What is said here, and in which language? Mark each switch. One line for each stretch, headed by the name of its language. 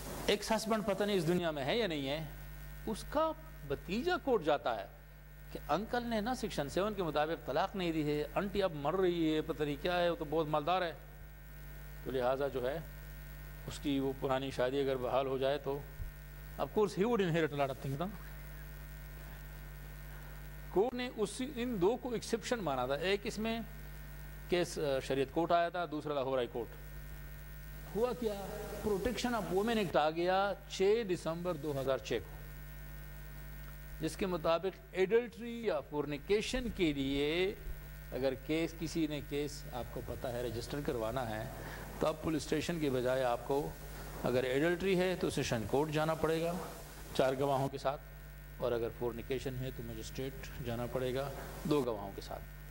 Hindi: एक हस्बैंड पता नहीं इस दुनिया में है या नहीं है, उसका भतीजा कोर्ट जाता है कि अंकल ने ना सेक्शन 7 के मुताबिक तलाक नहीं दी है, आंटी अब मर रही है, पता नहीं क्या है, वो तो बहुत मालदार है, तो लिहाजा जो है उसकी वो पुरानी शादी अगर बहाल हो जाए तो
English: of course he would inherit a lot of things na.
Hindi: Court ने उस इन दो को एक्सेप्शन माना था, एक इसमें केस शरीयत कोर्ट आया था, दूसरा लाहौर हाई कोर्ट। हुआ क्या, प्रोटेक्शन ऑफ वुमेन एक्ट आ गया 6 दिसंबर 2006 को, जिसके मुताबिक एडल्ट्री या फोर्निकेशन के लिए अगर केस किसी ने केस आपको पता है रजिस्टर करवाना है तो आप पुलिस स्टेशन के बजाय आपको अगर एडल्ट्री है तो सेशन कोर्ट जाना पड़ेगा 4 गवाहों के साथ, और अगर फोर्निकेशन है तो मजिस्ट्रेट जाना पड़ेगा 2 गवाहों के साथ।